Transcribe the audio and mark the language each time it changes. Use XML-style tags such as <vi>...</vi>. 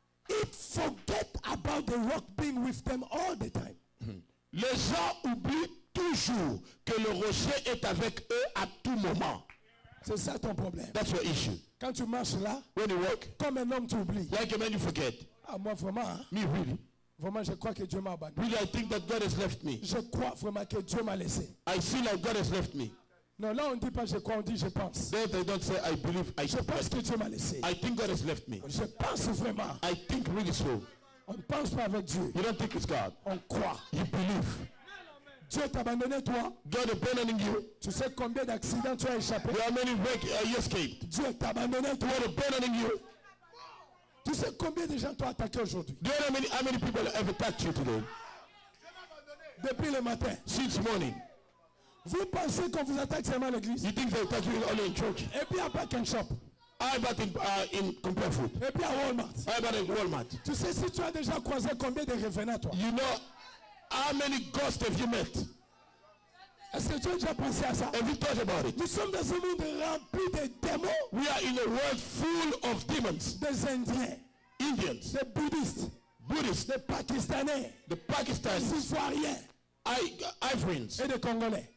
<en>It forget about the rock being with them all the time.</en> <fr>Les gens oublient toujours que le rocher est avec eux à tout moment. C'est ça ton problème.</fr> <en>That's your issue.</en> <fr>Quand tu marches là.</fr> <en>When you walk.</en> <fr>Comme un homme tu oublies.</fr> <en>Like a man you forget.</en> <fr>Ah moi vraiment.</fr> <en>Me really.</en> <fr>Vraiment, je crois que Dieu m'a abandonné.</fr> <en>Really, I think that God has left me.</en> <fr>Je crois vraiment que Dieu m'a laissé.</fr> <en>I feel like God has left me.</en> <fr>Non, là on ne dit pas je crois, on dit je pense.</fr> <en>There they don't say I believe. I</en> <fr>je pense que Dieu m'a laissé.</fr> <en>I think God has left me.</en> <fr>Je pense vraiment.</fr> <en>I think really so.</en> <fr>On ne pense pas avec Dieu.</fr> <en>You don't think it's God.</en> <fr>On croit.</fr> <en>You believe.</en> <fr>Dieu t'a abandonné toi.</fr> <en>God abandoning you.</en> <fr>Tu sais combien d'accidents tu as échappé.</fr> <en>How many wrecks you escaped.</en> <fr>Dieu t'a abandonné toi.</fr> <en>God abandoning you.</en> <fr>Tu sais combien de gens t'ont attaqué aujourd'hui?</fr> <en>Do you know how many people have attacked you today?</en> <fr>Depuis le matin.</fr> <en>Since morning.</en> <fr>Vous pensez qu'on vous attaque seulement à l'église?</fr> <en>You think they attack you only in church?</en> <fr>Et puis à packing shop.</fr> <en>I bought in Compare Food.</en> <fr>Et puis à Walmart.</fr> <en>I bought in Walmart.</en> <fr>Tu sais si tu as déjà croisé combien de revenants toi?</fr> <en>You know how many ghosts have you met?</en> <fr>Est-ce que tu as déjà pensé à ça?</fr> <en>Have you thought about it?</en> <fr>Nous sommes dans un monde rempli de démons.</fr> <en>We are in a world full of demons.</en> <fr>Des Indiens.</fr> <en>Indians.</en> <fr>Des Bouddhistes.</fr> <en>Buddhists.</en> <fr>Des Pakistanais.</fr> <en>The Pakistanis.</en> <fr>Des Ivoiriens.</fr> <en>Ivorians.</en> <fr>Et des Congolais.</fr>